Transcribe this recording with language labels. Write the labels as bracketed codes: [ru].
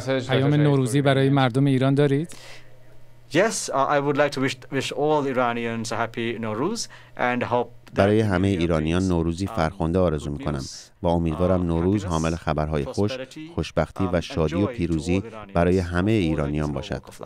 [fa] پیام نوروزی برای مردم ایران دارید؟ [en] Yes, I would like to wish all Iranians a happy Nowruz and hope [fa] برای همه ایرانیان نوروزی فرخنده آرزو می‌کنم و امیدوارم نوروز حامل خبرهای خوش، خوشبختی و شادی و پیروزی برای همه ایرانیان باشد.